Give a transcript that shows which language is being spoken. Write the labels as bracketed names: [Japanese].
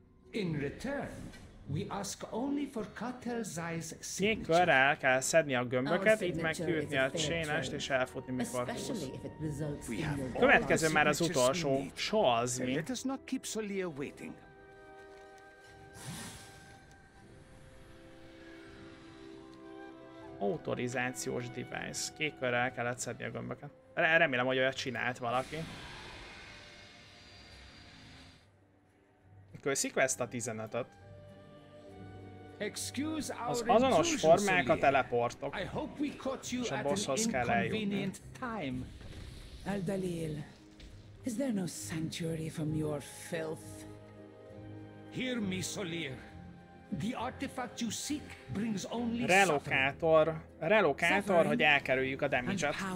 [English] In return, we ask only for Kattel Zai's signature. [Hungarian] El kell szedni a gömböket, itt megküldni a csénest és elfutni, mikor húz. Következő már az utolsó. Soha az mi. [English] Let us not keep Solia waiting. [Hungarian] Autorizációs device. Kékkörrel kellett szedni a gömböket. Remélem, hogy olyat csinált valaki. Köszik ezt a 15-öt. Az azonos formák a teleportok. És a bosshoz kell eljutni. [English] Aldalil, is there no sanctuary from your filth? Hear me, Solir. The artifact you seek brings only [Hungarian] relokátor. Relokátor, hogy elkerüljük a damage-et.